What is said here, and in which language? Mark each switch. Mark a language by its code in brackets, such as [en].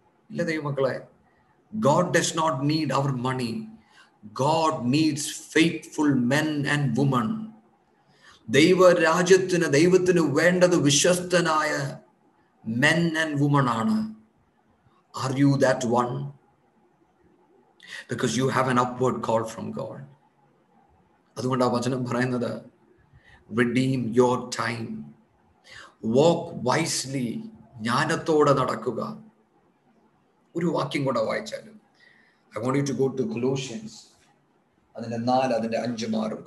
[ml] ഇല്ല ദൈവമക്കളെ, [en] God does not need our money, God needs faithful men and women. [ml] ദൈവരാജ്യത്തിന് ദൈവത്തിന് വേണ്ടത് വിശ്വസ്തനായ [en] men and women [ml] ആണ്. [en] Are you that one? Because you have an upward call from God. [ml] അതുകൊണ്ട് ആ വചനം പറയുന്നത്, [en] redeem your time, walk wisely, [ml] ജ്ഞാനത്തോടെ നടക്കുക. ഒരു വാക്യം കൂടെ വായിച്ചാലും, [en] I want you to go to Colossians, [ml] അതിന്റെ 4 അതിന്റെ 5 മാറും.